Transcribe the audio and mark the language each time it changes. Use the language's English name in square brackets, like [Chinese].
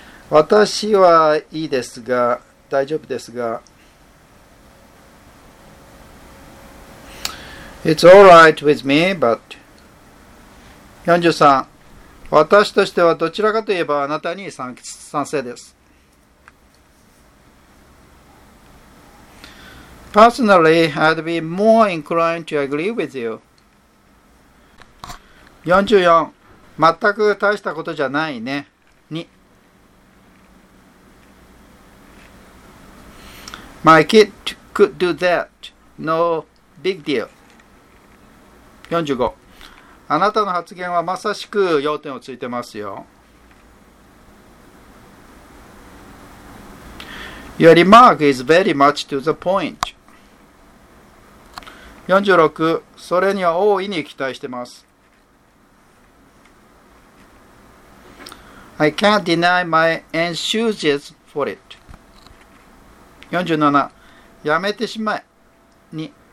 [Japanese] 私はいいですが、大丈夫ですが。 [English] It's all right with me, but... 43. [Japanese] 私としてはどちらかといえばあなたに賛成です。 [English] Personally, I'd be more inclined to agree with you. 44. [Japanese] 全く大したことじゃないね。 [English] My kid could do that. No big deal. 45. [Japanese] あなたの発言はまさしく要点をついてますよ。 [English] Your remark is very much to the point. 46. [Japanese] それには大いに期待してます。 [English] I can't deny my enthusiasm for it. 47. [Japanese] やめてしまえ。 [English] 2.